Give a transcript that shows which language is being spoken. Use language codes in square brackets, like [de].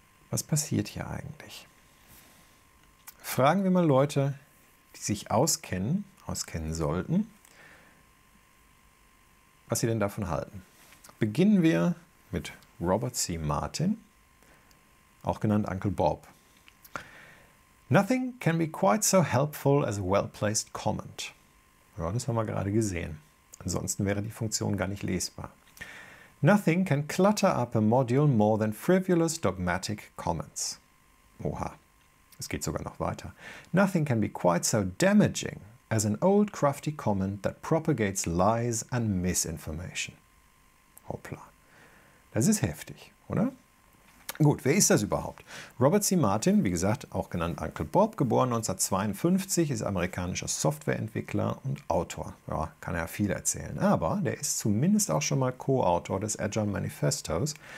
[de] Was passiert hier eigentlich? Fragen wir mal Leute, die sich auskennen sollten, was sie denn davon halten. Beginnen wir mit Robert C. Martin, auch genannt Uncle Bob. [en] Nothing can be quite so helpful as a well-placed comment. [de] Ja, das haben wir gerade gesehen. Ansonsten wäre die Funktion gar nicht lesbar. [en] Nothing can clutter up a module more than frivolous dogmatic comments. [de] Oha, es geht sogar noch weiter. [en] Nothing can be quite so damaging as an old crafty comment that propagates lies and misinformation. [de] Hoppla. Das ist heftig, oder? Gut, wer ist das überhaupt? Robert C. Martin, wie gesagt, auch genannt Uncle Bob, geboren 1952, ist amerikanischer Softwareentwickler und Autor. Ja, kann er viel erzählen. Aber der ist zumindest auch schon mal Co-Autor des Agile Manifestos.